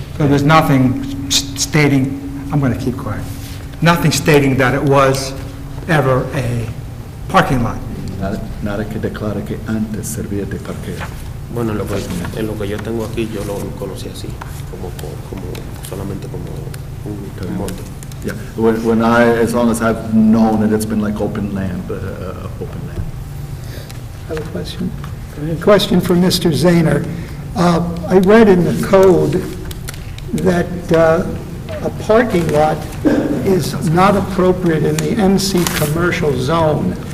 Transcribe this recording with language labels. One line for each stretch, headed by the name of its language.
English: So there's nothing stating, I'm going to keep quiet. Nothing stating that it was ever a parking lot.
Spanish: Nada que declare que antes servía de parqueo. Bueno, en lo que yo tengo aquí, yo lo conocí así, como solamente como un monte.
English: Yeah, when I, as long as I've known that it's been like open land, open land. I have a question. Question for Mr. Zaner. I read in the code that a parking lot is not appropriate in the MC commercial zone.